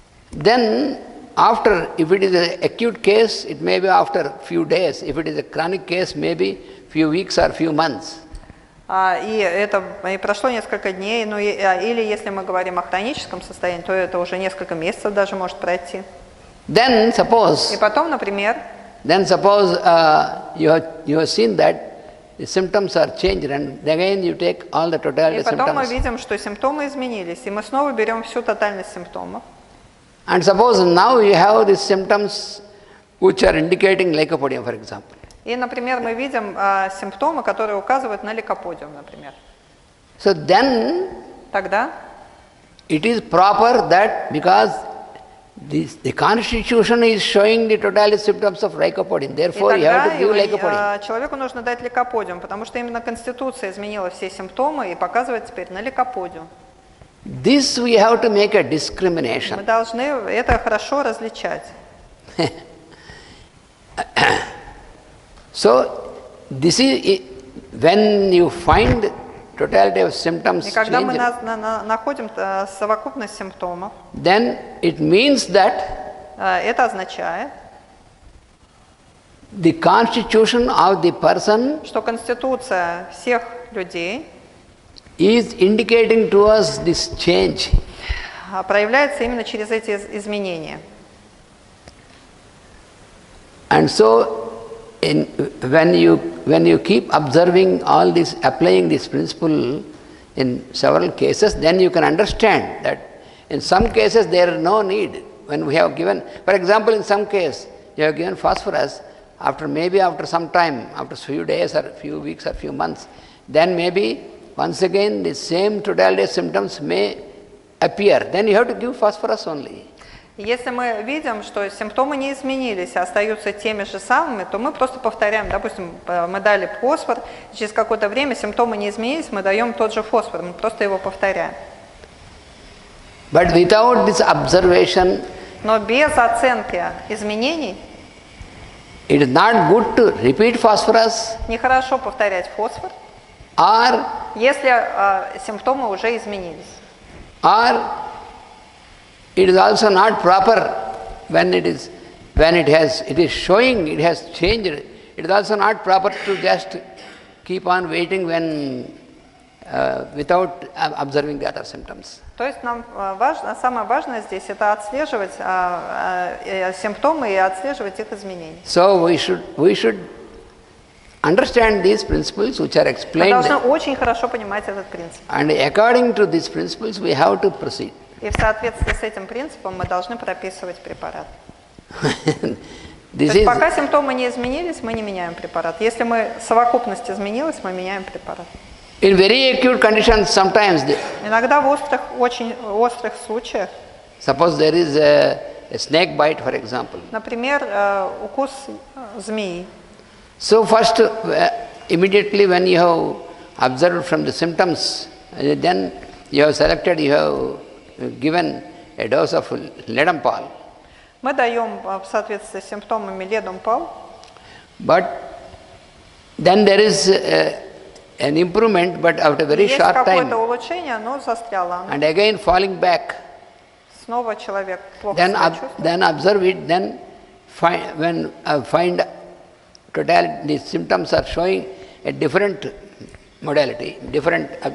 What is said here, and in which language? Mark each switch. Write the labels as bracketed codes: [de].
[en] Then, after, if it is an acute case, it may be after few days. If it is a chronic case, maybe few weeks or few months. [ru] И прошло несколько дней. Ну, или если мы говорим о хроническом состоянии, то это уже несколько месяцев даже может пройти. [en] Then suppose. [ru] И потом, например. [en] Then suppose you have seen that the symptoms are changed, and again you take all the totality of symptoms. [ru] И потом мы видим, что симптомы изменились, и мы снова берем всю тотальность симптомов. [en] And suppose now you have these symptoms, which are indicating lycopodium, for example. [ru] И, например, мы видим симптомы, которые указывают на лейкоподиум, например. [en] So then. [ru] Тогда. [en] It is proper that because the constitution is showing the totality symptoms of lycopodium. Therefore, you have to give lycopodium. [ru] Человеку нужно дать лейкоподиум, потому что именно конституция изменила все симптомы и показывает теперь на лейкоподиум. [en] This we have to make a discrimination. [ru] Мы должны это хорошо различать. [en] So this is when you find totality of symptoms. [ru] И когда мы находим совокупность симптомов. [en] Then it means that. [ru] Это означает. [en] The constitution of the person. [ru] Что конституция всех людей. [en] Is indicating to us this change. [ru] Проявляется именно через эти изменения. [en] And so, when you keep observing all this, applying this principle in several cases, then you can understand that in some cases there is no need. When we have given, for example, in some case you have given phosphorus, after some time, after few days or few weeks or few months, then maybe once again the same totality symptoms may appear. Then you have to give phosphorus only. [ru] Если мы видим, что симптомы не изменились, а остаются теми же самыми, то мы просто повторяем, допустим, мы дали фосфор, через какое-то время симптомы не изменились, мы даем тот же фосфор, мы просто его повторяем. [en] But without this observation, [ru] но без оценки изменений, [en] it is not good to repeat phosphorus, [ru] нехорошо повторять фосфор, [en] or, [ru] если симптомы уже изменились. [en] Or, it is also not proper when it is showing it has changed. It is also not proper to just keep on waiting without observing the other symptoms. [ru] То есть нам важно, самое важное здесь это отслеживать симптомы и отслеживать их изменения. [en] So we should understand these principles which are explained. [ru] Мы должны очень хорошо понимать этот принцип. [en] And according to these principles, we have to proceed. [ru] И в соответствии с этим принципом мы должны прописывать препарат. То есть пока симптомы не изменились, мы не меняем препарат. Если мы совокупность изменилась, мы меняем препарат. [en] In very acute conditions, sometimes. [ru] Иногда в острых, очень острых случаях. [en] Suppose there is a snake bite, for example. [ru] Например, укус змеи. [en] So first, immediately when you have observed from the symptoms, then you have selected, you have given a dose of Ledampal. [ru] Мы даем в соответствии с симптомами Ledampal. [en] But then there is an improvement, but after a very [ru] есть Есть какое-то улучшение, но застряло. [en] And again falling back. [ru] Снова человек плохо [en] then [ru] себя чувствует. [en] Then observe it. Then find total the symptoms are showing a different modality, different.